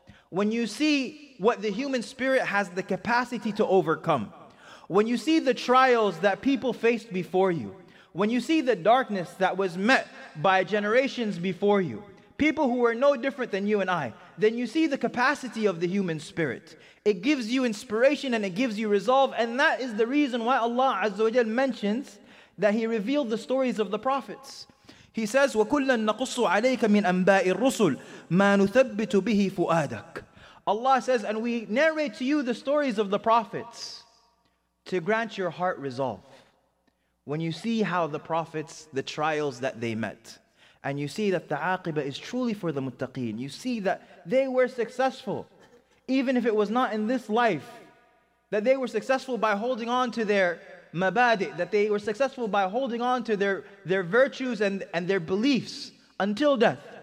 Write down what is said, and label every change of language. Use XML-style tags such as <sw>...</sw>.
<en>When you see what the human spirit has the capacity to overcome, when you see the trials that people faced before you, when you see the darkness that was met by generations before you, people who are no different than you and I, then you see the capacity of the human spirit. It gives you inspiration and it gives you resolve. And that is the reason why Allah Azza wa Jal mentions that He revealed the stories of the prophets. He says,</en> <ar>وَكُلًّا نَقُصُّ عَلَيْكَ مِنْ أَنْبَاءِ الرُّسُلِ مَا نُثَبِّتُ بِهِ فُؤَادَكَ.</ar> <en>Allah says, and we narrate to you the stories of the prophets to grant your heart resolve. When you see how the prophets, the trials that they met, and you see that the aqibah is truly for the muttaqeen, you see that they were successful, even if it was not in this life, that they were successful by holding on to their mabadi, that they were successful by holding on to their virtues and their beliefs until death.</en>